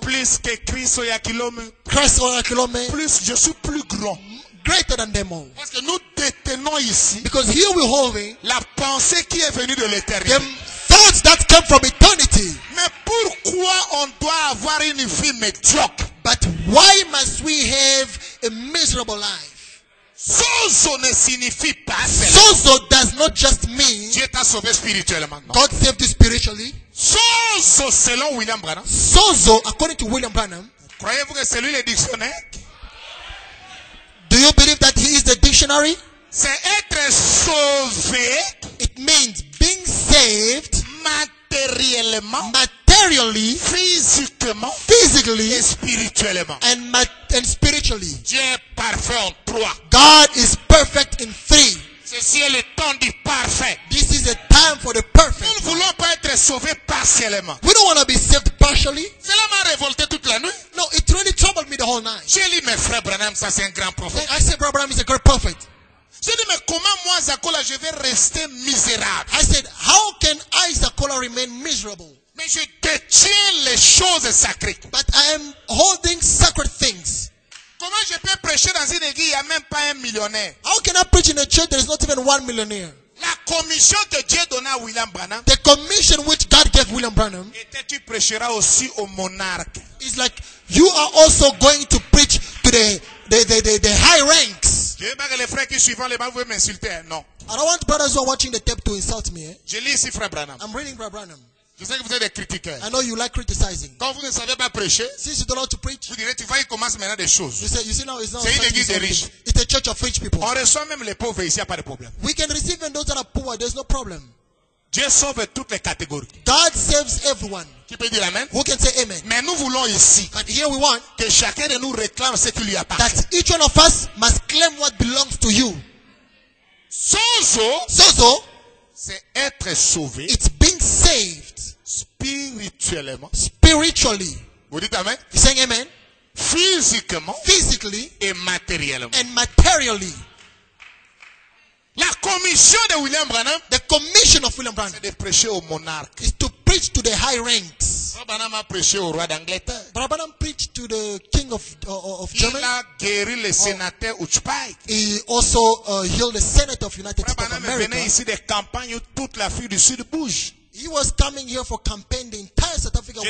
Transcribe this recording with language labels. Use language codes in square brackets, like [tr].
[fr] Plus que Chris Oyakilome. Chris Oyakilome. Plus, je suis plus grand. [en] Greater than them all. [fr] Parce que nous détenons ici. [en] Because here we holding [fr] la pensée qui est venue de l'éternité. [en] Thoughts that come from eternity. [fr] Mais pourquoi on doit avoir une vie médiocre? [en] But why must we have a miserable life? [fr] Sozo ne signifie pas seulement. [en] Sozo does not just mean. [fr] Dieu t'a sauvé spirituellement. [en] God saved you spiritually. [fr] Sozo selon William Branham. [en] Sozo according to William Branham. [fr] Croyez-vous que c'est lui le dictionnaire? [en] Do you believe that he is the dictionary? [fr] C'est être sauvé. [en] It means being saved [fr] matériellement. [en] Materially. [fr] Physiquement. [en] Physically. [fr] Et spirituellement. [en] And spiritually. [fr] Dieu est parfait en trois. [en] God is perfect in three. [fr] Ceci est le temps du parfait. [en] This is a time for the perfect. [fr] Nous ne voulons pas être sauvés partiellement. [en] We don't want to be saved partially. [fr] Cela m'a révolté toute la nuit. [en] No, it really troubled me the whole night. [fr] J'ai dit, mais frère Branham, ça c'est un grand prophète. [en] I said, Brother Branham is a great prophet. [fr] J'ai dit, mais comment moi, Zakola, je vais rester misérable? [en] I said, how can I, Zakola, remain miserable? [fr] Mais je détiens les choses sacrées. [en] But I am holding sacred things. [fr] Comment je peux prêcher dans une église, il n'y a même pas un millionnaire? [en] How can I preach in a church, there is not even one millionaire? [fr] La commission que Dieu donna à William Branham. [en] The commission which God gave William Branham. [fr] Était tu prêcheras aussi au monarque. [en] It's like, you are also going to preach to the high ranks. [fr] Je veux pas que les frères qui suivent les bancs veulent m'insulter, non. [en] I don't want brothers who are watching the tape to insult me. Eh? [fr] Je lis ici frère Branham. [en] I'm reading Brother Branham. [fr] Je sais que vous êtes des critiqueurs. [en] I know you like criticizing. [fr] Quand vous ne savez pas prêcher, [en] since you don't know how to preach, [fr] vous direz, tu vois, il commence maintenant des choses. [en] You see now it's not. [fr] C'est une église riche. [en] It's a church of rich people. [fr] On reçoit même les pauvres ici, y a pas de problème. [en] We can receive even those that are poor. There's no problem. [fr] Dieu sauve toutes les catégories. [en] God saves everyone. [fr] Qui peut dire amen? [en] Who can say amen? [fr] Mais nous voulons ici. [en] But here we want [fr] que chacun de nous réclame ce qui lui appartient. [en] That each one of us must claim what belongs to you. [fr] Sozo, c'est être sauvé. [en] It's being saved. [fr] Spirituellement. [en] Spiritually. [fr] Vous dites amen? [en] You saying amen? [fr] Physiquement. [en] Physically. [fr] Et matériellement. [en] And materially. [fr] La commission de William Branham, [en] the commission of William Branham, [fr] c'est de prêcher au monarque. [en] Is to preach to the high ranks. [fr] Brother Branham a prêché au roi d'Angleterre. [en] Brother Branham preached to the king of Germany. [fr] Il a guéri le sénateur Uchpai. [en] He also healed the senator of United States of America. [fr] Brother Branham venait ici des campagnes où toute l'Afrique du Sud bouge. [en] He was coming here for campaign the entire South Africa.